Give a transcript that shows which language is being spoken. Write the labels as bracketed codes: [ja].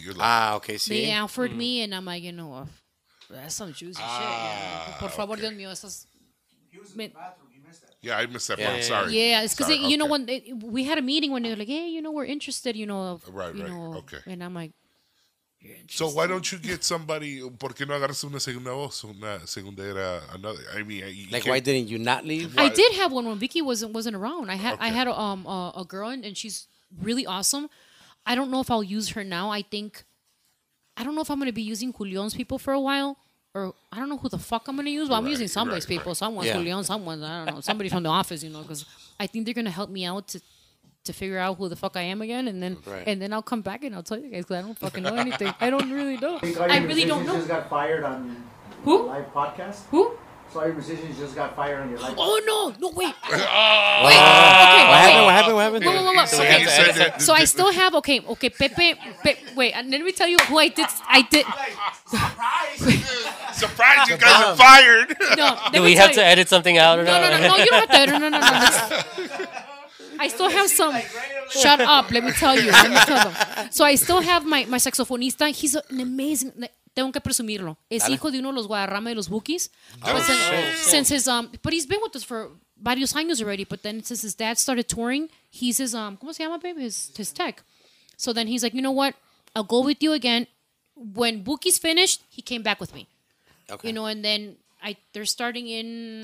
[en] Okay, see? They offered me, and I'm like, you know what? That's some juicy shit. Yeah. [es] Por favor, Dios mío, esas. [en] Yeah, I missed that part. Sorry. Yeah, it's because you know when we had a meeting when they were like, "Hey, you know, we're interested," you know. Okay. And I'm like, so why don't you get somebody? [es] ¿Por qué no agarras una segunda voz, una segunda era, [en] another? I mean, why didn't you not leave? I did have one when Vicky wasn't around. I had a girl and she's really awesome. I don't know if I'll use her now. I don't know if I'm going to be using Julián's people for a while, or I don't know who the fuck I'm going to use, but I'm using somebody's people. Someone's Julián, someone, I don't know, somebody from the office, you know, because I think they're going to help me out to figure out who the fuck I am again, and then and then I'll come back and I'll tell you guys, because I don't fucking know anything. I don't really know. I really don't know. You just got fired on who? Live podcast? Who? Sorry, your musicians just got fired on your life. Oh, no. Wait. Okay. What happened? Wait. So I still have, Pepe, wait, let me tell you who I did. Surprise. Surprise, you guys are fired. No, do we have to edit something out or no? No, you don't have to edit. No. I still have some. Shut up. Let me tell them. So I still have my saxofonista. He's an amazing. [es] Tengo que presumirlo. Es hijo de uno de los Guadarrama de los Bukis. [en] But he's been with us for [es] varios años [en] already. But then since his dad started touring, he's his, [es] ¿cómo se llama, [en] baby? His tech. So then he's like, you know what? I'll go with you again. When Bukis finished, he came back with me. Okay. You know, and then they're starting in...